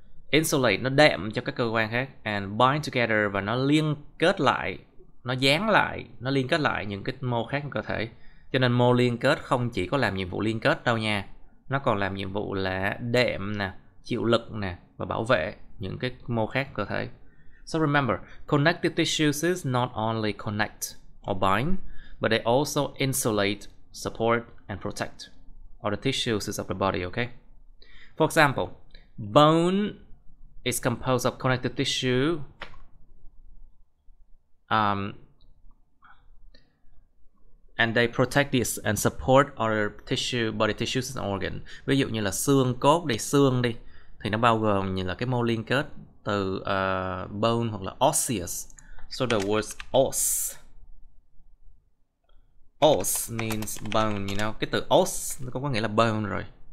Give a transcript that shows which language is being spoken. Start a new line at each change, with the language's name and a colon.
Vietnamese: Insulate, nó đệm cho các cơ quan khác.
English: And bind together
Vietnamese: và nó liên kết lại, nó dán lại, nó liên kết lại những cái mô khác trong cơ thể. Cho nên mô liên kết không chỉ có làm nhiệm vụ liên kết đâu nha. Nó còn làm nhiệm vụ là đệm nè, chịu lực nè, và bảo vệ những cái mô khác cơ thể.
English: So remember, connective tissues is not only connect or bind, but they also insulate, support, and protect all the tissues of the body, okay? For example, bone is composed of connective tissue. And they protect this and support other tissue, body tissues and organ.
Vietnamese: Ví dụ như là xương cốt, đi xương đi, thì nó bao gồm như là cái mô liên kết từ bone hoặc là osseous.
English: So the word os. Os means bone, you know.
Vietnamese: Cái từ os nó cũng có nghĩa là bone rồi.